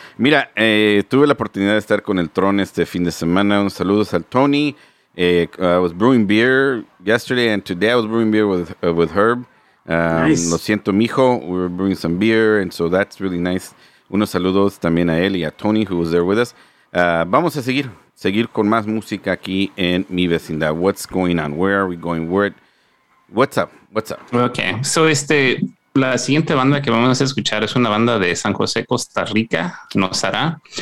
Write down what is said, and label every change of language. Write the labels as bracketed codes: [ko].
[es] Mira, tuve la oportunidad de estar con el Tron este fin de semana. Un saludos al Tony. [en] I was brewing beer yesterday, and today I was brewing beer with Herb. Nice. [es] Lo siento, mijo. [en] We were brewing some beer, and so that's really nice. [es] Unos saludos también a él y a Tony, [en] who was there with us. [es] Vamos a seguir con más música aquí en mi vecindad. [en] What's going on? Where are we going? What's up? Okay, so [es] la siguiente banda que vamos a escuchar es una banda de San José, Costa Rica, Nossara.